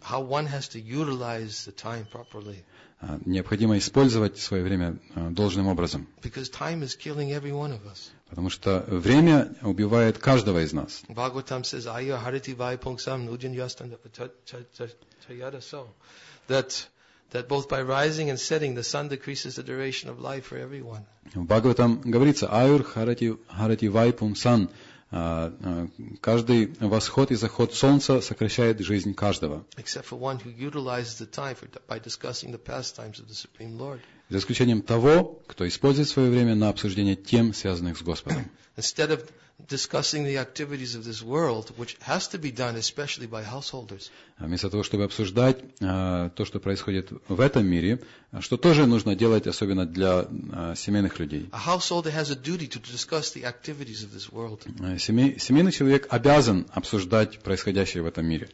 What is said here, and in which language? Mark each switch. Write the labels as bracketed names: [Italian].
[English] How one has to utilize the time properly. [Russian] Необходимо использовать свое время должным образом. [English] Because time is killing every one of us. [Russian] Потому что время убивает каждого из нас. [English] Bhagavatam says, [Sanskrit] "Aya hariti vai pungsam nujan yastanda tayada so," [English] that both by rising and setting, the sun decreases the duration of life for everyone. [Russian] В Бхагаватам говорится, [Sanskrit] айур харати вайпун сан. [Russian] Каждый восход и заход солнца сокращает жизнь каждого. [English] Except for one who utilizes the time by discussing the pastimes of the Supreme Lord. [Russian] За исключением того, кто использует свое время на обсуждение тем, связанных с Господом. [English] Instead of discussing the activities of this world, which has to be done especially by householders. [Russian] Вместо того, чтобы обсуждать то, что происходит в этом мире, что тоже нужно делать, особенно для семейных людей. [English] A householder has a duty to discuss the activities of this world. [Russian] Семейный человек обязан обсуждать происходящее в этом мире.